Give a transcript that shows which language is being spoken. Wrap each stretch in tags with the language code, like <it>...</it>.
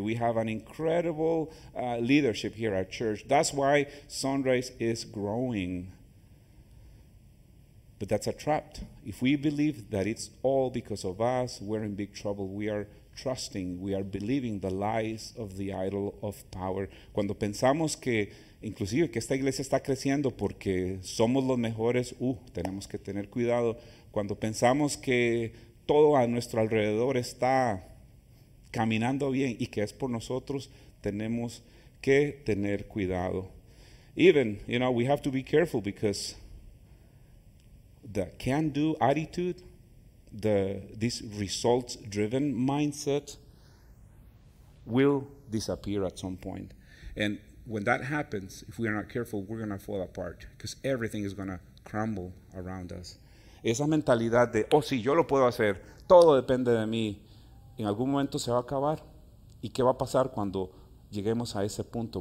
<en>We have an incredible leadership here at church. That's why Sunrise is growing. But that's a trap. If we believe that it's all because of us, we're in big trouble. We are trusting, we are believing the lies of the idol of power.</en> <es>Cuando pensamos que, inclusive, que esta iglesia está creciendo porque somos los mejores, tenemos que tener cuidado. Cuando pensamos que todo a nuestro alrededor está caminando bien y que es por nosotros, tenemos que tener cuidado.</es> <en>Even, you know, we have to be careful because the can-do attitude, this results-driven mindset will disappear at some point. And when that happens, if we are not careful, we're going to fall apart because everything is going to crumble around us.</en> <es>Esa mentalidad de, oh, sí, yo lo puedo hacer, todo depende de mí, en algún momento se va a acabar. ¿Y qué va a pasar cuando lleguemos a ese punto?</es>